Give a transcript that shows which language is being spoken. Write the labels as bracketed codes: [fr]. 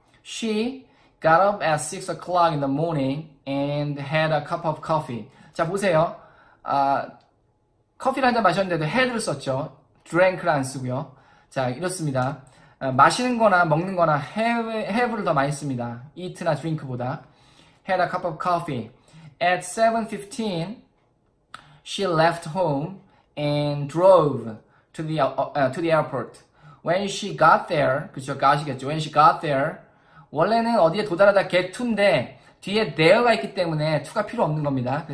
[en] She got up at 6 o'clock in the morning and had a cup of coffee. [ko] 자, 보세요. 아, 커피를 한잔 마셨는데도 had를 썼죠. drank를 안 쓰고요. 자, 이렇습니다. 아, 마시는 거나 먹는 거나 have를 더 많이 씁니다. eat나 drink보다. [en] had a cup of coffee. At 7:15, she left home and drove to the airport. When she got there, [ko] 그쵸, got이겠죠. When she got there, 원래는 어디에 도달하다 get to인데, 뒤에 there가 있기 때문에 to가 필요 없는 겁니다.